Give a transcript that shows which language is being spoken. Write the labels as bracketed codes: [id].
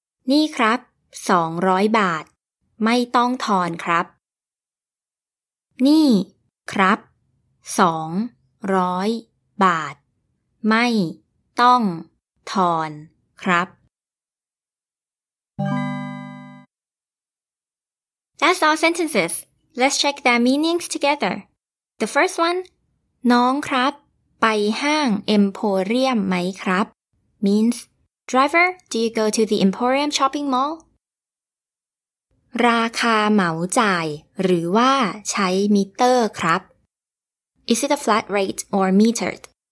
[th] นี่ครับ200บาทไม่ต้องทอนครับนี่ครับ200บาทไม่ต้องทอนครับ [en] That's all sentences. Let's check their meanings together. The first one, [th] น้องครับไปห้างเอ็มโพเรียมไหมครับ [en] means, driver, do you go to the Emporium shopping mall? [th] ราคาเหมาจ่ายหรือว่าใช้มิเตอร์ครับ [en] is it a flat rate or metered?